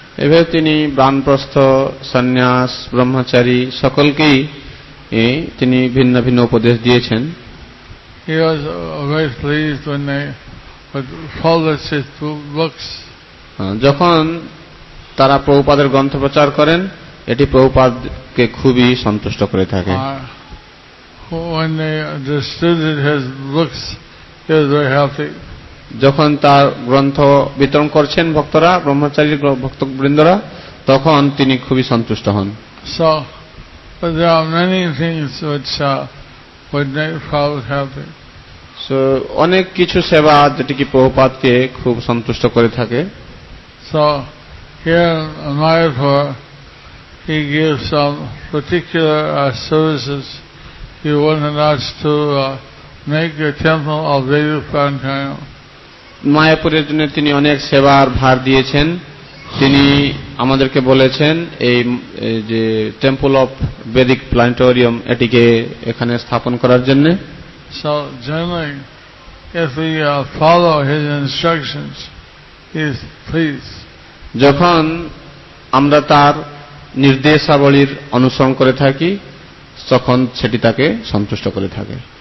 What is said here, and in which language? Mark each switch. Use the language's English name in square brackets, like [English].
[Bangla] এভাবে তিনি বানপ্রস্থ, সন্ন্যাস, ব্রহ্মচারী সকলকেই তিনি ভিন্ন ভিন্ন উপদেশ দিয়েছেন। [English] He was very pleased when they would follow his two books. [Bangla] যখন তারা প্রভুপাদের গ্রন্থ প্রচার করেন এটি প্রভুপাদকে খুবই সন্তুষ্ট করে থাকে। [English] When they distributed his books, he was very happy. [Bangla] যখন তার গ্রন্থ বিতরণ করছেন ভক্তরা ব্রহ্মচারী ভক্তবৃন্দরা তখন তিনি খুবই সন্তুষ্ট হন। [English] So there are many things which would make Prabhupada happy. [Bangla] So অনেক কিছু সেবা যেটি কি প্রভুপাদকে খুব সন্তুষ্ট করে থাকে। [English] So here in Mayapur, he gives some particular services. He wanted us to make the temple of Vedic Pranayam. [Bangla] মায়াপুরের জন্য তিনি অনেক সেবার ভার দিয়েছেন। তিনি আমাদেরকে বলেছেন এই যে টেম্পল অফ বেদিক প্ল্যানেটোরিয়াম এটিকে এখানে স্থাপন করার জন্য। [English] So generally, if we follow his instructions, he is pleased. [Bangla] যখন আমরা তার নির্দেশাবলীর অনুসরণ করে থাকি তখন সেটি তাকে সন্তুষ্ট করে থাকে।